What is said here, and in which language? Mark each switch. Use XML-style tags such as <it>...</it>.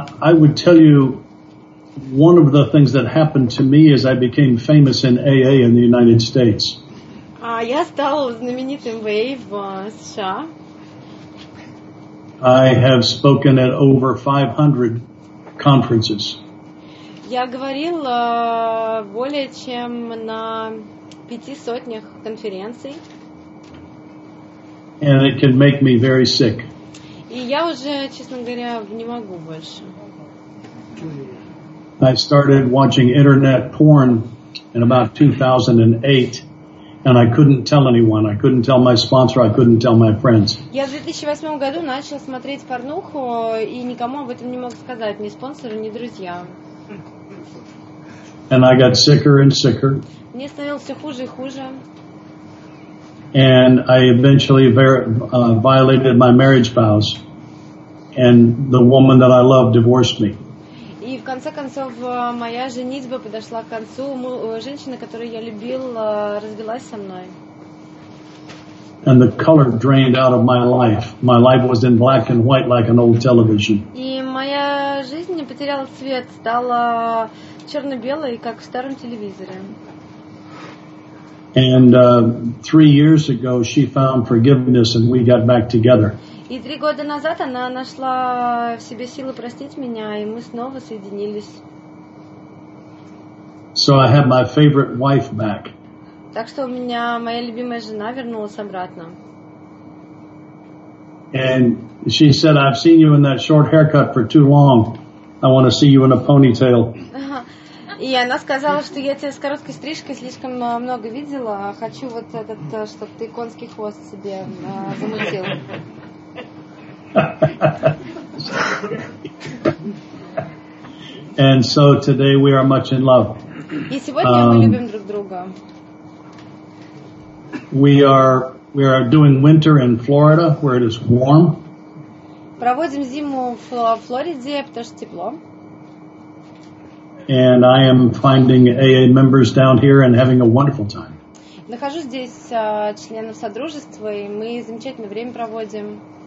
<en>I would tell you one of the things that happened to me as I became famous in AA in the United States.</en> <ru>Я стал знаменитым в AA в США.</ru> <en>I have spoken at over 500 conferences.</en> <ru>Я говорил более чем на 500 конференций.</ru> <en>And it can make me very sick.</en> <ru>И я уже, честно говоря, не могу больше.</ru> <en>I started watching internet porn in about 2008, and I couldn't tell anyone. I couldn't tell my sponsor, I couldn't tell my friends.</en> <ru>Я в 2008 году начал смотреть порнуху, и никому об этом не мог сказать, ни спонсору, ни друзьям.</ru> <en>And I got sicker and sicker.</en> <ru>Мне становилось все хуже и хуже.</ru> <en>And I eventually violated my marriage vows, and the woman that I loved divorced me.</en> <ru>И в конце концов моя женитьба подошла к концу. Женщина, которую я любил, развелась со мной.</ru> <en>And the color drained out of my life. My life was in black and white, like an old television.</en> <ru>И моя жизнь потеряла цвет, стала черно-белой, как в старом телевизоре.</ru> <en>And 3 years ago, she found forgiveness, and we got back together.</en> <ru>И 3 года назад она нашла в себе силы простить меня, и мы снова соединились.</ru> <en>So I have my favorite wife back.</en> <ru>Так что у меня моя любимая жена вернулась обратно.</ru> <en>And she said, "I've seen you in that short haircut for too long. I want to see you in a ponytail."</en> <ru>И она сказала, что я тебя с короткой стрижкой слишком много видела, а хочу вот этот, чтобы ты конский хвост себе замутил.</ru> <en>And so today we are much in love.</en> <ru>И сегодня мы любим друг друга.</ru> <en>We are doing winter in Florida, where it is warm.</en> <ru>Проводим зиму в Флориде, потому что тепло.</ru> <en>And I am finding AA members down here and having a wonderful time.</en> <ru>Нахожу здесь членов содружества, и мы замечательное время проводим.</ru>